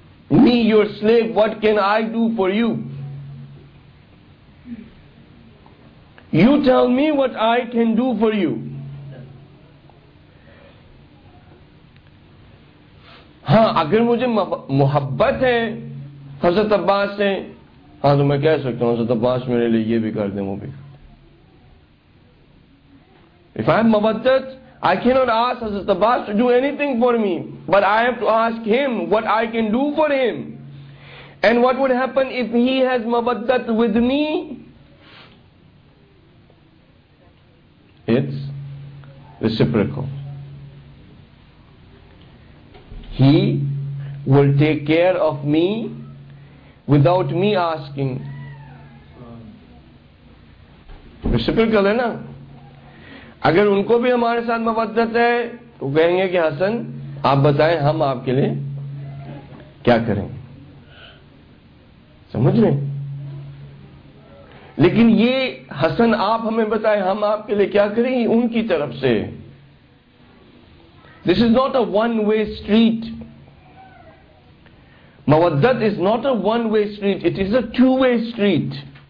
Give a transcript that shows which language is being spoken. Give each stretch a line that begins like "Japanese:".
English: me your slave what can I do for you you tell me what I can do for you
Urdu: ہاں اگر مجھے محبت ہے حضرت عباس سے ہاں تو میں کہہ سکتا ہوں حضرت عباس میرے لیے یہ بھی کر دیں وہ بھی
English: If I have mawaddat, I cannot ask Hazrat Abbas to do anything for me. But I have to ask him what I can do for him. And what would happen if he has mawaddat with me? It's reciprocal. He will take care of me without me asking.
Urdu: Reciprocal hai na? اگر ان کو بھی ہمارے ساتھ مبادت ہے تو کہیں گے کہ حسن آپ بتائیں ہم آپ کے لیے کیا کریں سمجھ رہے ہیں لیکن یہ حسن آپ ہمیں بتائیں ہم آپ کے لیے کیا کریں ان کی طرف سے
English: this is not a one way street
Urdu: مبادت is not a one way street it is a to way street